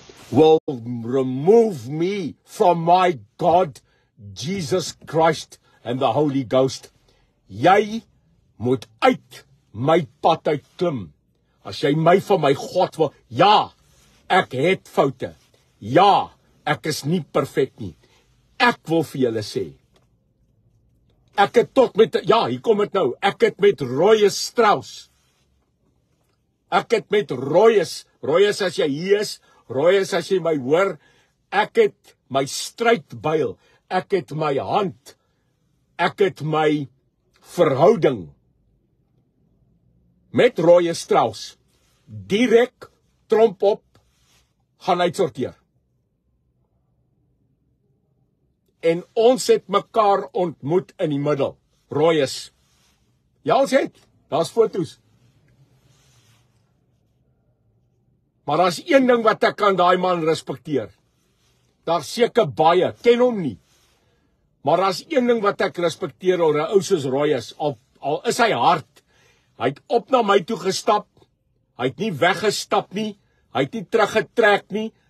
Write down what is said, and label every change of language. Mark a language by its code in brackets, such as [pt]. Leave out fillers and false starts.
[en] Will remove me from my God, Jesus Christ and the Holy Ghost. [af] Jy moet uit my pad uit klim. As jy my van my God wil, ja, ek het foute. Ja, ek is nie perfect nie. Ek wil vir julle sê, ek het tot met, ja, hier kom het nou, ek het met Royes Strauss, ek het met Royes as jy hier is, Royes as jy my hoor, ek het my strydbuil, ek het my hand, ek het my verhouding met Royes Strauss, direk tromp op, gaan uitsorteer. En ons het mekaar ontmoet in die middel. Royes. Ja, ons het. Daar's foto's. Maar daar's een ding wat ek aan daai man respekteer. Daar's seker baie. Ken hom nie. Maar daar's een ding wat ek respekteer oor 'n ou soos Royes. Al is hy hard. Hy het op na my toe gestap. Hy het nie weggestap nie. Hy het nie teruggetrek nie.